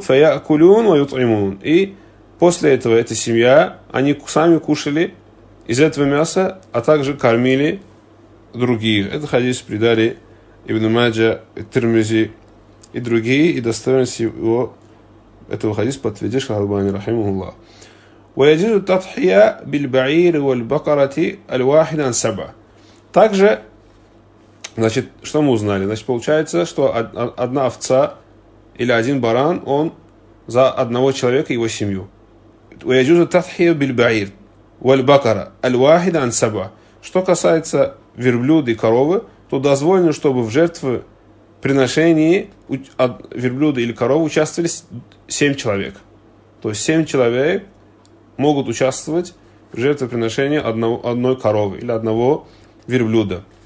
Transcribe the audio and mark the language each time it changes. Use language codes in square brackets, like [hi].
[ar] Фаякулюн ва ютъимун. [ru] И после этого эта семья, они сами кушали из этого мяса, а также кормили других. Этот хадис придали Ибн Маджа, Тирмизи и другие, и достоверность его этого хадиса подтвердит шейх аль-Албани рахимахуллах. [ar] ويجوز التضحية بالبعير والبقرة الواحدة سبعة. [ru] Также, значит, что мы узнали? Значит, получается, что одна овца или один баран, он за одного человека и его семью. [ar] ويجوز التضحية بالبعير والبقرة الواحدة سبعة. [ru] Что касается верблюда и коровы, то дозволено, чтобы в жертвоприношении верблюда или коровы участвовали 7 человек. То есть 7 человек могут участвовать в жертвоприношении одной коровы или одного верблюда.